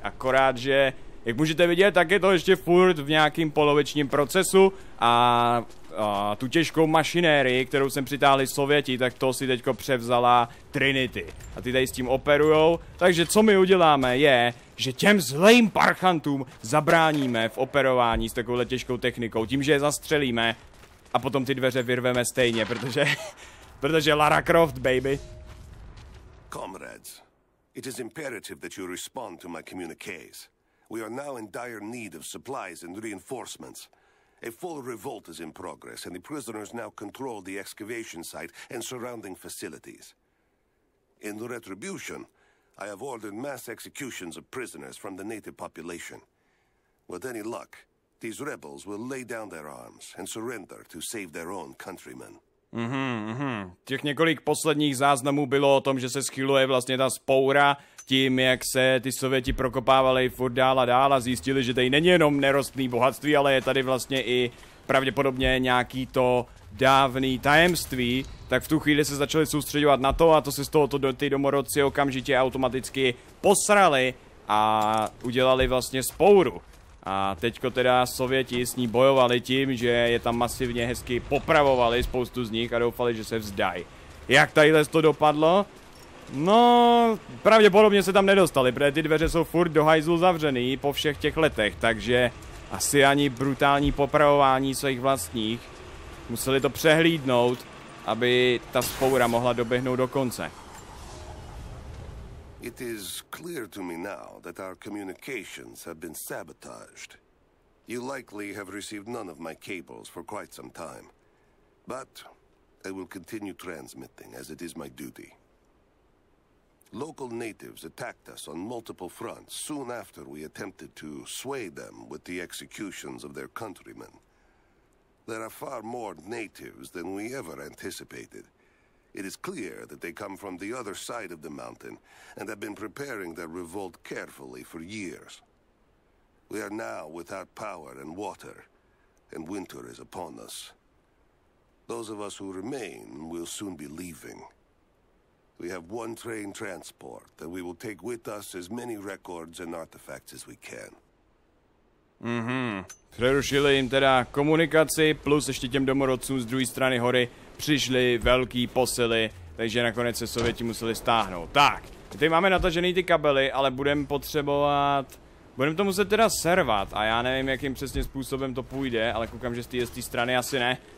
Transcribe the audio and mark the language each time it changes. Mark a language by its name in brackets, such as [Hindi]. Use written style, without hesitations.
[Czech] Akorát, že, jak můžete vidět, tak je to ještě furt v nějakým polovičním procesu a tu těžkou mašinérii, kterou sem přitáhli Sověti, tak to si teďko převzala Trinity. A ty tady s tím operujou, takže co my uděláme je... Že těm zlým parchantům zabráníme v operování s takovouhle těžkou technikou, tím, že je zastřelíme a potom ty dveře vyrveme stejně, protože Lara Croft, baby. [English] Comrades, it is imperative that you respond to my communiques. We are now in dire need of supplies and reinforcements. A full revolt is in progress and the prisoners now control the excavation site and surrounding facilities. In retribution, I have ordered mass executions of prisoners from the native population. With any luck, these rebels will lay down their arms and surrender to save their own countrymen. [Czech] Těch několik posledních záznamů bylo o tom, že se schyluje vlastně ta spoura tím, jak se ty Sověti prokopávali furt dál a dál a zjistili, že tady není jenom nerostný bohatství, ale je tady vlastně i pravděpodobně nějaký to dávný tajemství, tak v tu chvíli se začali soustředovat na to a to se z tohoto ty domorodci okamžitě automaticky posrali a udělali vlastně spouru. A teďko teda Sověti s ní bojovali tím, že je tam masivně hezky popravovali spoustu z nich a doufali, že se vzdají. Jak tadyhle to dopadlo? No, pravděpodobně se tam nedostali, protože ty dveře jsou furt do hajzlu zavřený po všech těch letech, takže asi ani brutální popravování svých vlastních. Museli to přehlídnout, aby ta spoura mohla doběhnout do konce. [English] It is clear to me now that our communications have been sabotaged. You likely have received none of my cables for quite some time. But I will continue transmitting as it is my duty. Local natives attacked us on multiple fronts soon after we attempted to sway them with the executions of their countrymen. There are far more natives than we ever anticipated. It is clear that they come from the other side of the mountain and have been preparing their revolt carefully for years. We are now without power and water, and winter is upon us. Those of us who remain will soon be leaving. We have one train transport that we will take with us as many records and artifacts as we can. Mhm. [Czech] Přerušili jim teda komunikaci, plus ještě těm domorodcům z druhé strany hory přišly velký posily, takže nakonec se Sověti museli stáhnout. Tak, ty máme natažený ty kabely, ale budeme potřebovat... Budeme to muset teda servat a já nevím, jakým přesně způsobem to půjde, ale koukám, že z té strany asi ne.